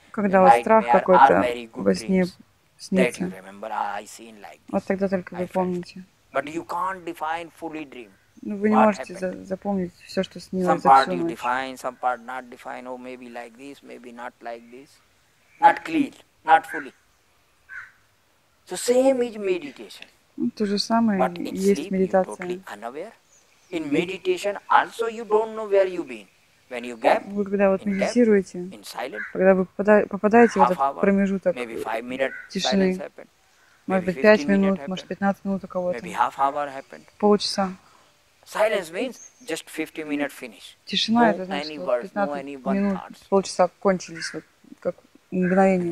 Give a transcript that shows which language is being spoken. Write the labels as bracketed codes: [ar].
[ru] когда у вас страх какой-то во сне снится, вот тогда только вы помните. [en] But you can't define fully dream. [ru] Но вы не можете запомнить все, что снилось за всю ночь. [en] Define, some part not define, oh, maybe like this, maybe not like this. Not clear, not fully. So same is meditation. [ru] То же самое есть медитация. [en] But in sleep, you totally unaware. In meditation also you don't know where you've been. When you gap, [ru] вы когда вот медитируете, когда вы попадаете в этот [en] hour, [ru] промежуток [en] maybe 5 [ru] тишины, Может быть, 5 минут, может, 15 минут у кого-то, полчаса. [en] Silence means just 50 minutes finish. [ru] Тишина это значит, что 15 минут, полчаса кончились, вот, как мгновение.